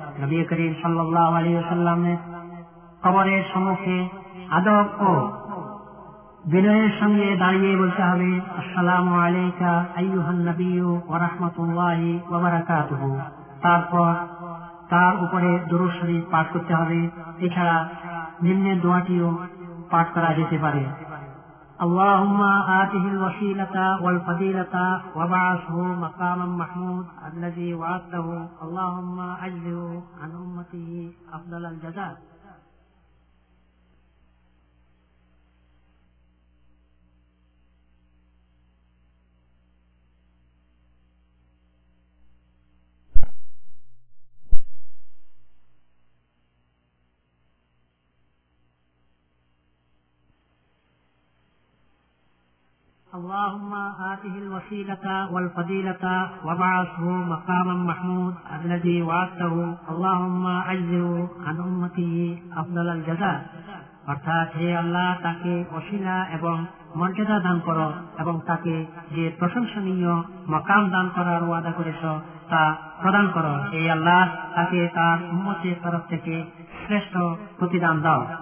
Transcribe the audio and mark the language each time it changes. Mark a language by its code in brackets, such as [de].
[bn] নবী করিম সাল্লাল্লাহু আলাইহি ওয়াসাল্লামের কবরের সম্মুখে আদব ও বিনয়ের সঙ্গে দাঁড়িয়ে বলতে হবে, আসসালামু আলাইকা আইয়ুহান নাবিয়্যু ওয়া রাহমাতুল্লাহি ওয়া বারাকাতুহু। তারপর তার উপরে দরুদ শরীফ পাঠ করতে হবে। এছাড়া নিম্নের দোয়াটিও পাঠ করা যেতে পারে, [ar] اللهم آته الوسيلة والفضيلة وابعثه مقاما محمود الذي وعدته اللهم أجزه عن أمته أفضل الجزاء. اللهم آته الوسيلة والفضيلة وابعثه مقاما محمود الذي وعدته اللهم أجزه عن أمته أفضل الجزاء. [bn] অর্থাৎ হে আল্লাহ, তাকে অশিলা এবং মর্যাদা দান করো এবং তাকে যে প্রশংসনীয় মকাম দান করার ওয়াদা করেছ তা প্রদান করো। হে আল্লাহ, তাকে তার উম্মতের তরফ থেকে শ্রেষ্ঠ প্রতিদান দাও।